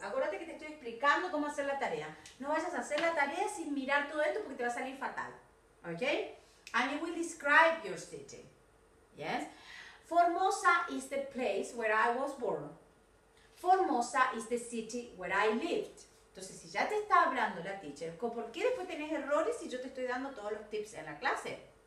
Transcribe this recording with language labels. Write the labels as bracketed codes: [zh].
[es] Acuérdate que te estoy explicando cómo hacer la tarea. No vayas a hacer la tarea sin mirar todo esto porque te va a salir fatal. [en] ¿Ok? And you will describe your city. ¿Yes? Formosa is the place where I was born. Formosa is the city where I lived. [es] Entonces, si ya te está hablando la teacher, ¿por qué después tenés errores si yo te estoy dando todos los tips en la clase?